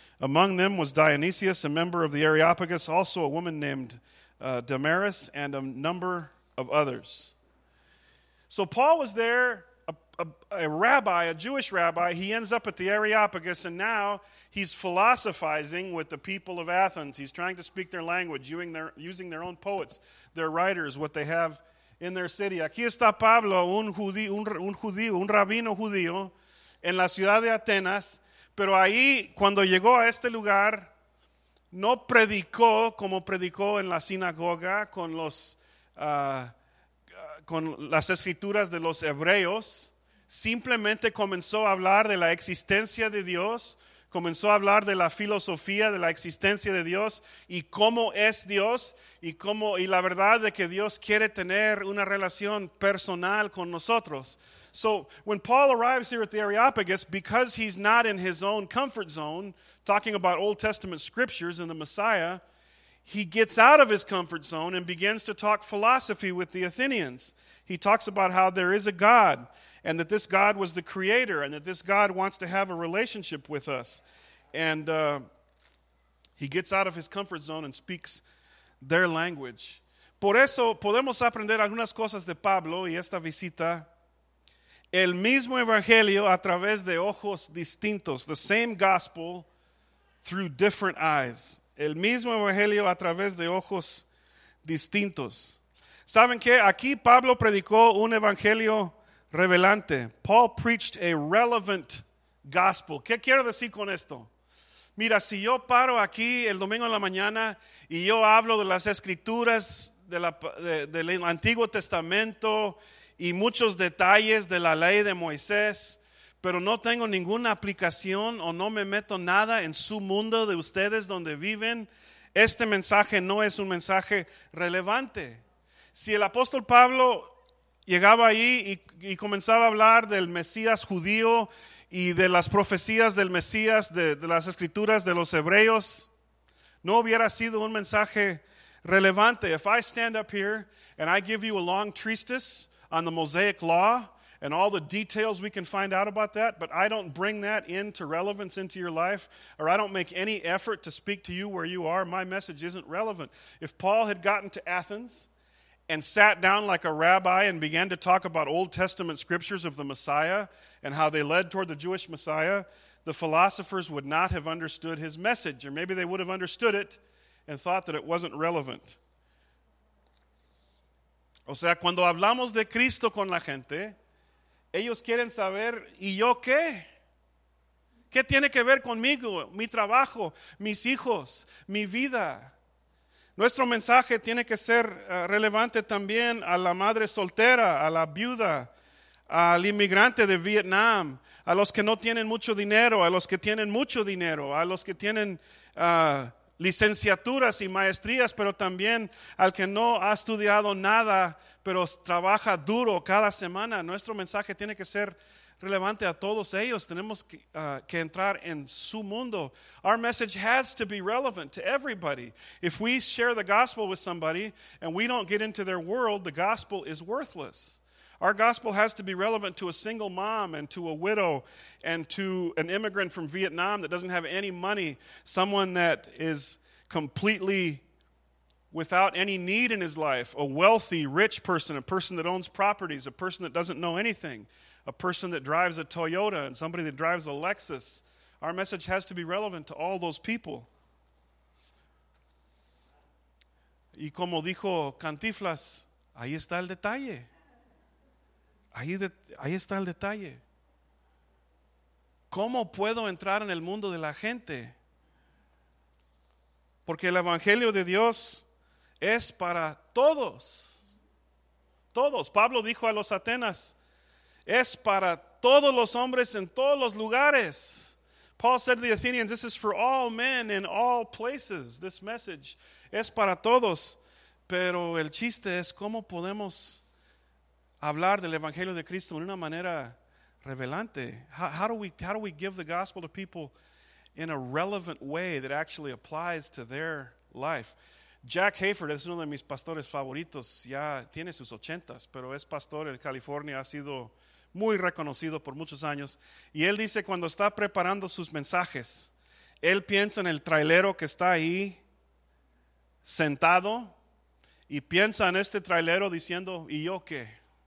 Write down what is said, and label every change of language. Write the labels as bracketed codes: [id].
[en] Among them was Dionysius, a member of the Areopagus, also a woman named Damaris, and a number of others. So Paul was there, a rabbi, a Jewish rabbi. He ends up at the Areopagus, and now he's philosophizing with the people of Athens. He's trying to speak their language, using their own poets, their writers, what they have in their city. [es] Aquí está Pablo, un rabino judío, en la ciudad de Atenas, pero ahí, cuando llegó a este lugar, no predicó como predicó en la sinagoga con las escrituras de los hebreos. Simplemente comenzó a hablar de la existencia de Dios, comenzó a hablar de la filosofía de la existencia de Dios y cómo es Dios y la verdad de que Dios quiere tener una relación personal con nosotros. [en] So when Paul arrives here at the Areopagus, because he's not in his own comfort zone, talking about Old Testament scriptures and the Messiah, he gets out of his comfort zone and begins to talk philosophy with the Athenians. He talks about how there is a God, and that this God was the creator, and that this God wants to have a relationship with us. And he gets out of his comfort zone and speaks their language. [es] Por eso podemos aprender algunas cosas de Pablo y esta visita. El mismo evangelio a través de ojos distintos. [en] The same gospel through different eyes. [es] El mismo evangelio a través de ojos distintos. ¿Saben qué? Aquí Pablo predicó un evangelio revelante. [en] Paul preached a relevant gospel. [es] ¿Qué quiero decir con esto? Mira, si yo paro aquí el domingo en la mañana y yo hablo de las escrituras del Antiguo Testamento y muchos detalles de la ley de Moisés, pero no tengo ninguna aplicación o no me meto nada en su mundo de ustedes donde viven, este mensaje no es un mensaje relevante. Si el apóstol Pablo llegaba ahí y comenzaba a hablar del Mesías judío y de las profecías del Mesías, de las escrituras de los hebreos, no hubiera sido un mensaje relevante. [en] If I stand up here and I give you a long treatise on the Mosaic Law and all the details we can find out about that, but I don't bring that into relevance into your life, or I don't make any effort to speak to you where you are, my message isn't relevant. If Paul had gotten to Athens and sat down like a rabbi and began to talk about Old Testament scriptures of the Messiah and how they led toward the Jewish Messiah, the philosophers would not have understood his message, or maybe they would have understood it and thought that it wasn't relevant. [es] O sea, cuando hablamos de Cristo con la gente, ellos quieren saber, ¿y yo qué? ¿Qué tiene que ver conmigo? Mi trabajo, mis hijos, mi vida. Nuestro mensaje tiene que ser relevante también a la madre soltera, a la viuda, al inmigrante de Vietnam, a los que no tienen mucho dinero, a los que tienen mucho dinero, a los que tienen licenciaturas y maestrías, pero también al que no ha estudiado nada, pero trabaja duro cada semana. Nuestro mensaje tiene que ser relevante a todos ellos. Tenemos que entrar en su mundo. [en] Our message has to be relevant to everybody. If we share the gospel with somebody and we don't get into their world, the gospel is worthless. Our gospel has to be relevant to a single mom and to a widow and to an immigrant from Vietnam that doesn't have any money, someone that is completely without any need in his life, a wealthy, rich person, a person that owns properties, a person that doesn't know anything, a person that drives a Toyota and somebody that drives a Lexus. Our message has to be relevant to all those people. [es] Y como dijo Cantiflas, ahí está el detalle. Ahí está el detalle. ¿Cómo puedo entrar en el mundo de la gente? Porque el Evangelio de Dios es para todos. Todos. Pablo dijo a los Atenas, es para todos los hombres en todos los lugares. [en] Paul said to the Athenians, this is for all men in all places. This message [es] es para todos. Pero el chiste es cómo podemos hablar del Evangelio de Cristo en una manera relevante. [en] How do we give the gospel to people in a relevant way that actually applies to their life? [es] Jack Hayford es uno de mis pastores favoritos. Ya tiene sus ochentas, pero es pastor en California. Ha sido muy reconocido por muchos años. Y él dice, cuando está preparando sus mensajes, él piensa en el trailero que está ahí sentado y piensa en este trailero diciendo, ¿y yo qué?